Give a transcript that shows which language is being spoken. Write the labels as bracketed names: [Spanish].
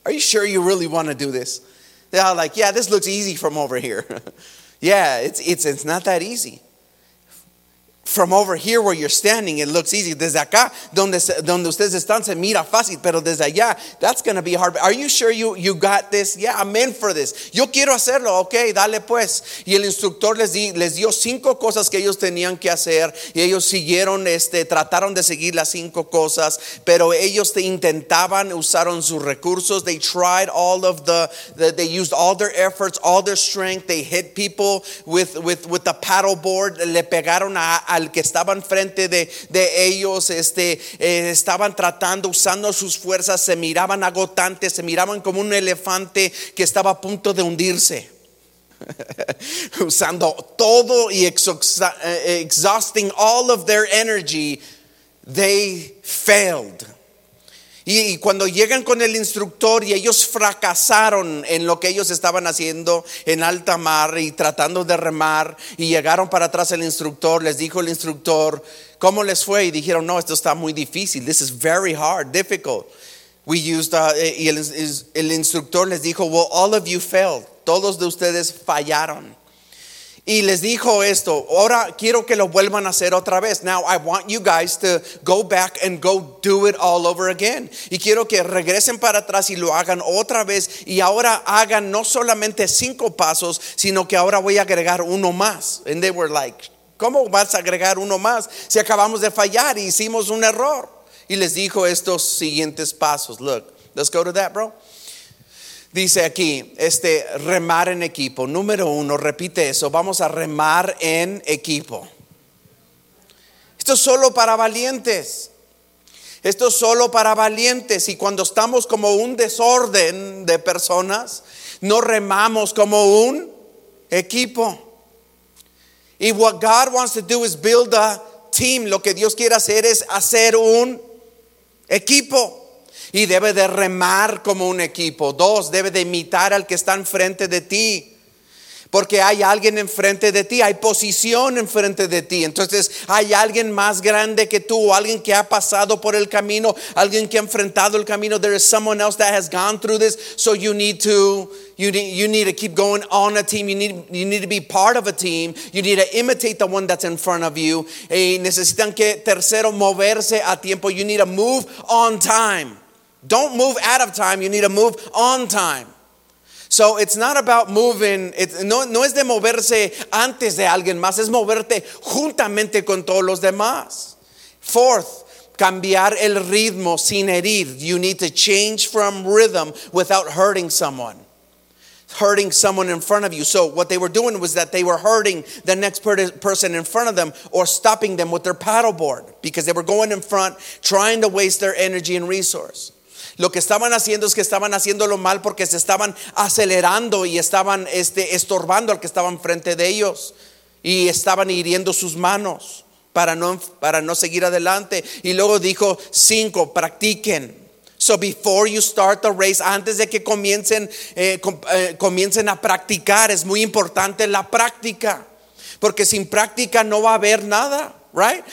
[English] Are you sure you really want to do this? They're all like, yeah, this looks easy from over here. Yeah, it's not that easy. From over here where you're standing, it looks easy. [Spanish] Desde acá, donde ustedes están, se mira fácil. Pero desde allá, [English] that's going to be hard. Are you sure you got this? Yeah, I'm in for this. [Spanish] Yo quiero hacerlo. Okay, dale pues. Y el instructor les dio 5 cosas que ellos tenían que hacer. Y ellos siguieron, trataron de seguir las 5 cosas. Pero ellos usaron sus recursos. [English] They tried all of they used all their efforts, all their strength. They hit people with the paddle board. [Spanish] Le pegaron al que estaba enfrente de ellos, estaban tratando, usando sus fuerzas, se miraban agotantes, se miraban como un elefante que estaba a punto de hundirse, usando todo y [English] exhausting all of their energy, they failed. [Spanish] Y cuando llegan con el instructor y ellos fracasaron en lo que ellos estaban haciendo en alta mar y tratando de remar, y llegaron para atrás el instructor, les dijo el instructor, ¿cómo les fue? Y dijeron, no, esto está muy difícil. [English] This is very hard, difficult. We used, [Spanish] y el instructor les dijo, [English] well, all of you failed. [Spanish] Todos de ustedes fallaron. Y les dijo esto, ahora quiero que lo vuelvan a hacer otra vez. [English] Now I want you guys to go back and go do it all over again. [Spanish] Y quiero que regresen para atrás y lo hagan otra vez. Y ahora hagan no solamente cinco pasos, sino que ahora voy a agregar uno más. [English] And they were like, [Spanish] ¿cómo vas a agregar uno más? Si acabamos de fallar, hicimos un error. Y les dijo estos siguientes pasos. [English] Look, let's go to that, bro. [Spanish] Dice aquí, remar en equipo. Número uno, repite eso. Vamos a remar en equipo. Esto es solo para valientes. Esto es solo para valientes. Y cuando estamos como un desorden de personas, no remamos como un equipo. [English] Y what God wants to do is build a team. [Spanish] Lo que Dios quiere hacer es hacer un equipo. Y debe de remar como un equipo. Dos, debe de imitar al que está enfrente de ti. Porque hay alguien enfrente de ti, hay posición enfrente de ti. Entonces hay alguien más grande que tú, alguien que ha pasado por el camino, alguien que ha enfrentado el camino. [English] There is someone else that has gone through this. So you need to keep going on a team. You need to be part of a team. You need to imitate the one that's in front of you. [Spanish] Y necesitan que tercero moverse a tiempo. [English] You need to move on time. Don't move out of time. You need to move on time. So it's not about moving. [Spanish] No es de moverse antes de alguien más. Es moverte juntamente con todos los demás. [English] Fourth, [Spanish] cambiar el ritmo sin herir. [English] You need to change from rhythm without hurting someone. Hurting someone in front of you. So what they were doing was that they were hurting the next person in front of them or stopping them with their paddleboard because they were going in front trying to waste their energy and resource. [Spanish] Lo que estaban haciendo es que estaban haciéndolo mal porque se estaban acelerando y estaban estorbando al que estaba enfrente de ellos y estaban hiriendo sus manos para no seguir adelante. Y luego dijo cinco, practiquen. [English] So before you start the race, [Spanish] antes de que comiencen a practicar, es muy importante la práctica, porque sin práctica no va a haber nada, right?